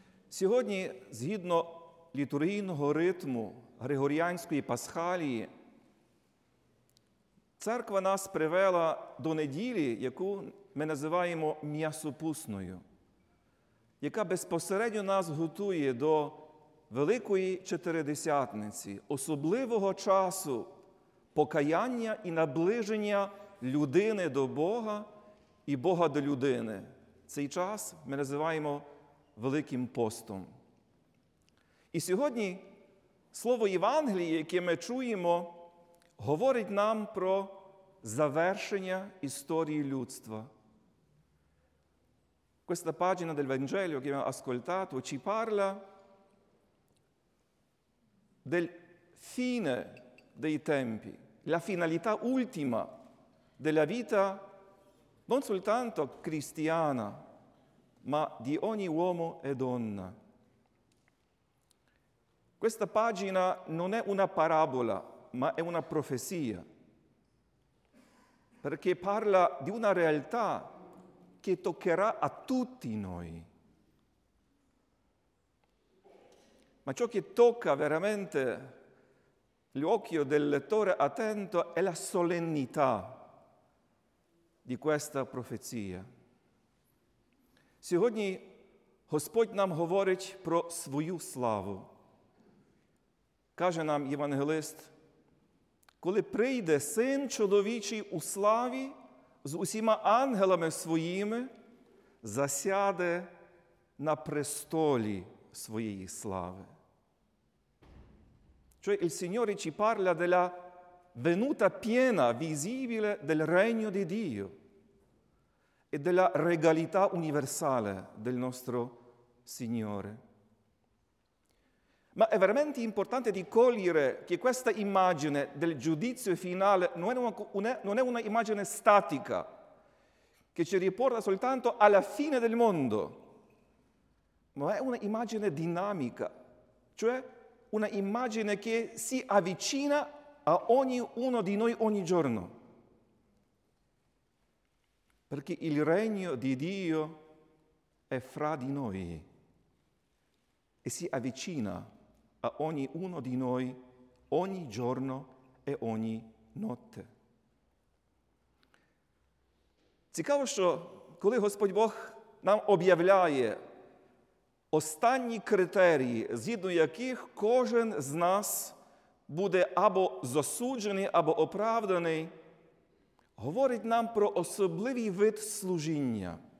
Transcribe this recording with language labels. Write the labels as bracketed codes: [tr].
[uk] Сьогодні, згідно літургійного ритму Григоріанської Пасхалії, церква нас привела до неділі, яку ми називаємо м'ясопусною, яка безпосередньо нас готує до Великої Чотиридесятниці, особливого часу покаяння і наближення людини до Бога і Бога до людини. Цей час ми називаємо Великим постом. І сьогодні слово Євангелії, яке ми чуємо, говорить нам про завершення історії людства. [it] Questa pagina del Vangelo che abbiamo ascoltato ci parla del fine dei tempi, la finalità ultima della vita non soltanto cristiana, ma di ogni uomo e donna. Questa pagina non è una parabola, ma è una profezia, perché parla di una realtà che toccherà a tutti noi. Ma ciò che tocca veramente l'occhio del lettore attento è la solennità di questa profezia. [uk] Сьогодні Господь нам говорить про свою славу. Каже нам Євангелист, коли прийде Син Чоловічий у славі з усіма ангелами своїми, засяде на престолі своєї слави. [it] Cioè il Signore ci parla della venuta piena, visibile del Regno di Dio e della regalità universale del nostro Signore. Ma è veramente importante di cogliere che questa immagine del giudizio finale non è una immagine statica che ci riporta soltanto alla fine del mondo, ma è una immagine dinamica, cioè una immagine che si avvicina a ognuno di noi ogni giorno. Perché il regno di Dio è fra di noi e si avvicina a ognuno di noi ogni giorno e ogni notte. [uk] Цікаво, що коли Господь Бог нам об'являє останні критерії, згідно яких кожен з нас буде або засуджений, або оправданий, говорить нам про особливий вид служіння.